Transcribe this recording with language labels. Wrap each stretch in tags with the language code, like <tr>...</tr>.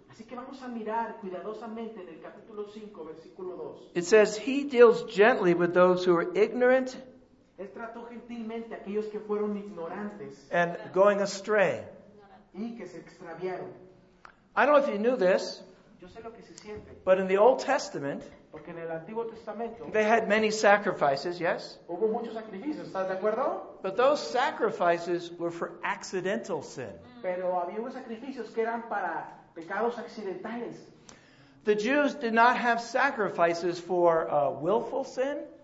<es>Así que vamos a mirar cuidadosamente en el capítulo 5, versículo 2.</es> <en>It says, he deals gently with those who are ignorant.</en> <es>Él trató gentilmente a aquellos que fueron ignorantes.</es> <en>And going astray.</en> <es>Y que se extraviaron.</es> <en>I don't know if you knew this.</en> <es>Yo sé lo que se siente.</es> <en>But in the Old Testament,</en> <es>porque en el Antiguo Testamento,</es> <en>they had many sacrifices, yes?</en> <es>Hubo muchos sacrificios, ¿estás de acuerdo?</es> <en>But those sacrifices were for accidental sin.</en> <es>Pero había unos sacrificios que eran para pecados accidentales.</es> <en>The Jews did not have sacrifices for willful sin.</en>